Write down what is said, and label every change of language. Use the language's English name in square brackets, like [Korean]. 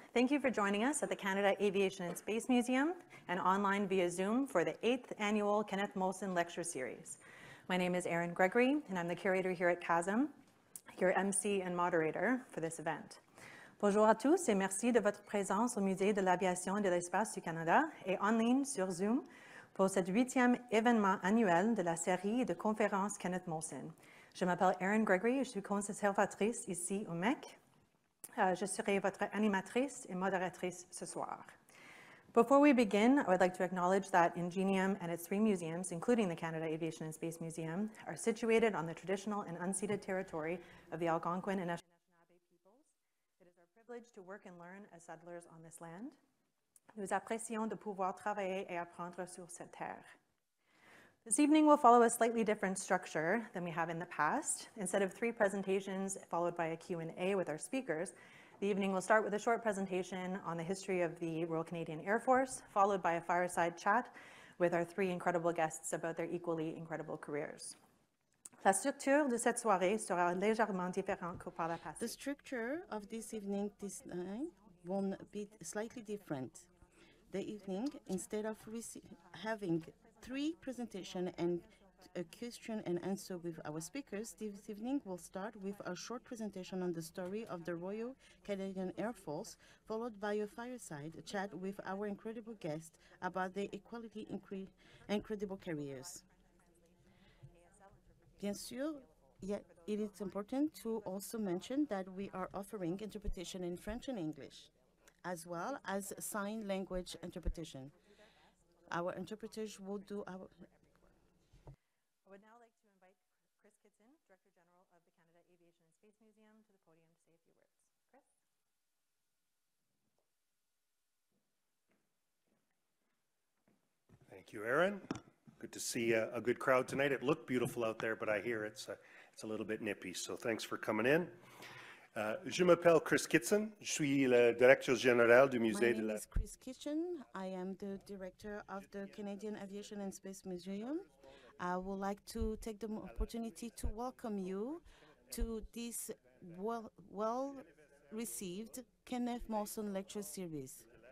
[English] Thank you for joining us at the Canada Aviation and Space Museum and online via Zoom for the 8th Annual Kenneth Molson Lecture Series. My name is Erin Gregory, and I'm the curator here at CASM, your MC and moderator for this event. [French] Bonjour à tous et merci de votre présence au Musée de l'Aviation et de l'Espace du Canada et en ligne sur Zoom pour cet 8e événement annuel de la série de conférences Kenneth Molson. Je m'appelle Erin Gregory et je suis conservatrice ici au MEC. Je serai votre animatrice et modératrice ce soir. [English] Before we begin, I would like to acknowledge that Ingenium and its three museums, including the Canada Aviation and Space Museum, are situated on the traditional and unceded territory of the Algonquin and Anishinaabe peoples. It is our privilege to work and learn as settlers on this land. [French] Nous apprécions de pouvoir travailler et apprendre sur cette terre. [English] This evening will follow a slightly different structure than we have in the past. Instead of three presentations followed by a Q&A with our speakers, the evening will start with a short presentation on the history of the Royal Canadian Air Force, followed by a fireside chat with our three incredible guests about their equally incredible careers. [French] La structure de cette soirée sera légèrement différente que par le passé. [English] The structure of this evening this night will be slightly different. The evening, instead of having three presentations and a question and answer with our speakers, this evening we'll start with a short presentation on the story of the Royal Canadian Air Force, followed by a fireside chat with our incredible guests about their equally incredible careers. [French] Bien sûr, [English] yeah, it is important to also mention that we are offering interpretation in French and English, as well as sign language interpretation. Our interpreters will do our. I would now like to invite Chris Kitson, Director General of the Canada Aviation and Space Museum, to the podium to say a few words. Chris? Thank you, Erin. Good to see a good crowd tonight. It looked beautiful out there, but I hear it's a little bit nippy, so thanks for coming in. [French] Je m'appelle Chris Kitson, je suis le directeur général du Musée de la... [English] My name is Chris Kitson, I am the director of the Canadian Aviation and Space Museum. I would like to take the opportunity to welcome you to this well-received Kenneth Molson Lecture Series.